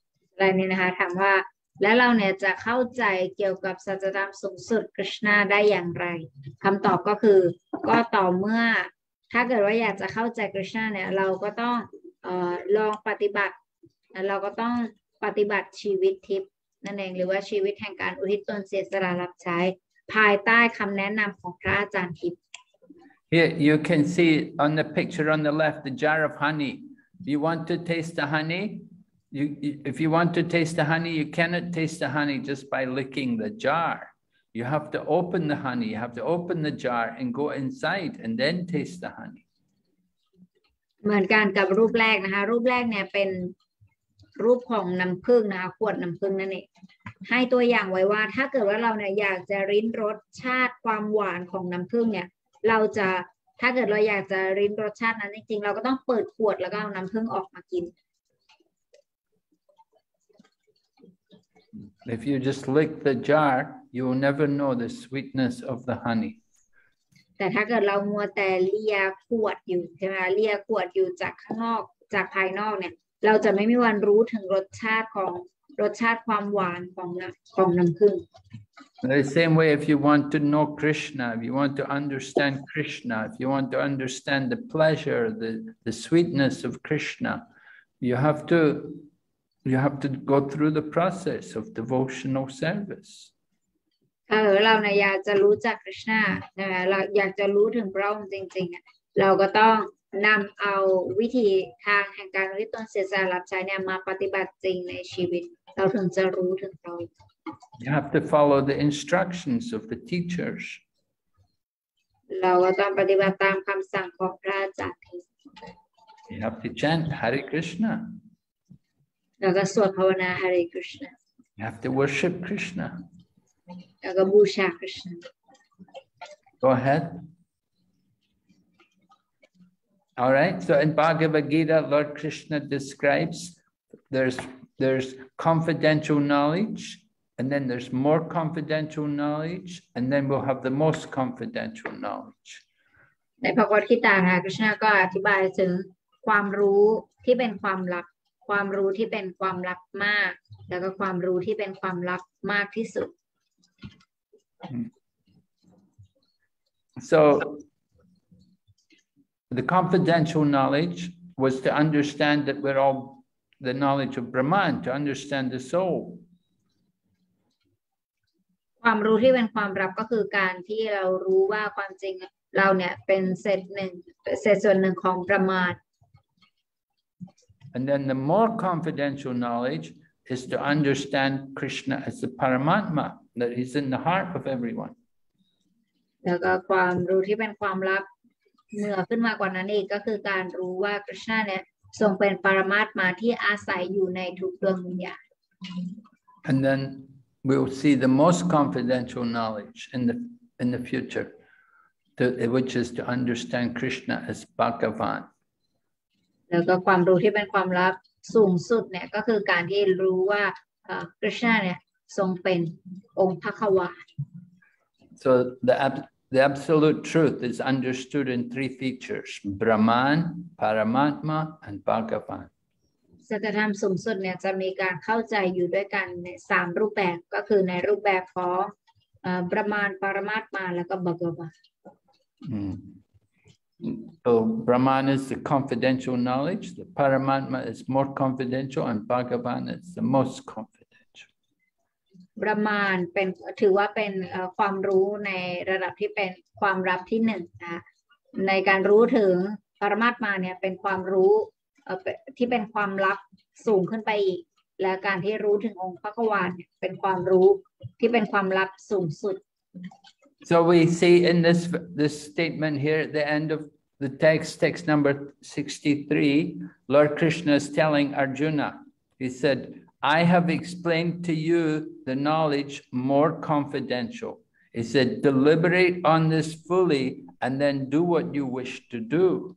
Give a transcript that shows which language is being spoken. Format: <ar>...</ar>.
<th>อะไรนี่นะคะถามว่าแล้วเราเนี่ยจะเข้าใจเกี่ยวกับสัจธรรมสูงสุดคริชนาได้อย่างไรคำตอบก็คือก็ต่อเมื่อถ้าเกิดว่าอยากจะเข้าใจคริชนาเนี่ยเราก็ต้องลองปฏิบัติเราก็ต้องปฏิบัติชีวิตทิพย์นั่นเองหรือว่าชีวิตแห่งการอุทิศตนเสียสละรับใช้ภายใต้คำแนะนำของพระอาจารย์ทิพย์</th> <en>Here you can see on the picture on the left the jar of honey you want to taste the honeyIf you want to taste the honey, you cannot taste the honey just by licking the jar. You have to open the honey, you have to open the jar and go inside and then taste the honey.</en> <th>เหมือนกันกับรูปแรกนะคะรูปแรกเนี่ยเป็นรูปของน้ำผึ้งนะคะขวดน้ำผึ้งนั่นเองให้ตัวอย่างไว้ว่าถ้าเกิดว่าเราเนี่ยอยากจะลิ้นรสชาติความหวานของน้ำผึ้งเนี่ยเราจะถ้าเกิดเราอยากจะลิ้นรสชาตินั้นจริงๆเราก็ต้องเปิดขวดแล้วก็เอาน้ำผึ้งออกมากิน</th> <en>If you just lick the jar, you will never know the sweetness of the honey.</en> <th>แต่ถ้าเกิดเรามัวแต่เลียขวดอยู่ใช่ไหมเลียขวดอยู่จากข้างนอกจากภายนอกเนี่ยเราจะไม่มีวันรู้ถึงรสชาติความหวานของน้ำผึ้ง</th> <en>The same way, if you want to know Krishna, if you want to understand Krishna, if you want to understand the pleasure, the sweetness of Krishna, you have to go through the process of devotional service.</en> <th>เราเนี่ยอยากจะรู้จักคริชนานะเราอยากจะรู้ถึงพระองค์จริงๆเราก็ต้องนำเอาวิธีทางแห่งการริตนเสียสละรับใช้เนี่ยมาปฏิบัติจริงในชีวิตเราถึงจะรู้ถึงพระองค์</th> <en>You have to follow the instructions of the teachers.</en> <th>เราก็ต้องปฏิบัติตามคำสั่งของพระอาจารย์</th> <en>You have to chant Hare Krishna.</en> <th>แล้วก็สวดภาวนา Hare Krishna</th> <en>You have to worship Krishna</en> <th>แล้วก็บูชา Krishna</th> <en>Go ahead All right, so in Bhagavad Gita, Lord Krishna describes there's confidential knowledge, and then there's more confidential knowledge, and then we'll have the most confidential knowledge.</en> <th>ในพระกฏกีตานะคริชนาก็อธิบายถึงความรู้ที่เป็นความลับความรู้ที่เป็นความลับมากแล้วก็ความรู้ที่เป็นความลับมากที่สุด</th> <en>So the confidential knowledge was to understand that we're all the knowledge of Brahman, to understand the soul.</en> <th>ความรู้ที่เป็นความลับก็คือการที่เรารู้ว่าความจริงเราเนี่ยเป็นเศษหนึ่งเศษส่วนหนึ่งของประมาณ</th> <en>And then the more confidential knowledge is to understand Krishna as the Paramatma, that he's in the heart of everyone.</en> <th>แล้วก็ความรู้ที่เป็นความลับเหนือขึ้นมากว่านั้นอีกก็คือการรู้ว่าคริชนาเนี่ยทรงเป็นปรมัตถ์มาที่อาศัยอยู่ในทุกดวงวิญญาณ</th> <en>And then we'll see the most confidential knowledge in the future. Which is to understand Krishna as Bhagavan.</en> <th>แล้วก็ความรู้ที่เป็นความลับสูงสุดเนี่ยก็คือการที่รู้ว่าคริชนาเนี่ยทรงเป็นองค์พระขวาน</th> <en>So the absolute truth is understood in three features: Brahman, Paramatma, and Bhagavan.</en> <th>สัจธรรมสูงสุดเนี่ยจะมีการเข้าใจอยู่ด้วยกันใน3รูปแบบก็คือในรูปแบบของBrahman, Paramatma, แล้วก็ Bhagavan.</th> <en>So Brahman is the confidential knowledge, the Paramatma is more confidential, and Bhagavan is the most confidential.</en> <th>Brahman เป็นถือว่าเป็นความรู้ในระดับที่เป็นความลับที่หนึ่งนะในการรู้ถึง Paramatma เนี่ยเป็นความรู้ที่เป็นความลับสูงขึ้นไปอีกและการที่รู้ถึงองค์พระกวานเป็นความรู้ที่เป็นความลับสูงสุด</th> <en>So we see in this statement here at the end of the text number 63, Lord Krishna is telling Arjuna. He said, "I have explained to you the knowledge more confidential." He said, "Deliberate on this fully, and then do what you wish to do."</en>